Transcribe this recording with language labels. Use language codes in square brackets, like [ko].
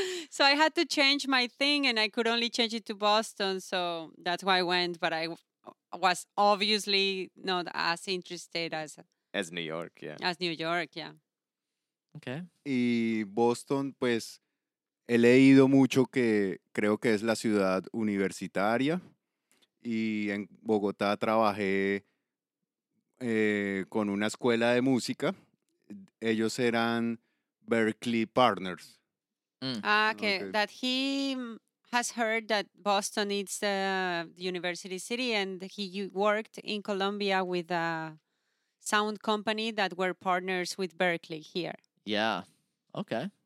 [en] So I had to change my thing, and I could only change it to Boston. So that's why I went. But I was obviously not as interested as... As New York, yeah. As New York, yeah. Okay. [es] Y Boston, pues, he leído mucho que creo que es la ciudad universitaria. Y en Bogotá trabajé con una escuela de música. Ellos eran Berklee Partners. [en] Okay, that he has heard that Boston is a university city, and he worked in Colombia with a sound company that were partners with Berklee here. Yeah, okay.